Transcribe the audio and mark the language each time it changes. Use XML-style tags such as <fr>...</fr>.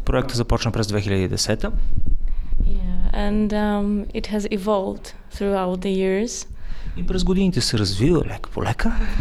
<bg>Проектът започна през 2010-та.</bg> <en>And it has evolved throughout the years.</en> <bg>И през годините се развива лека по лека.</bg>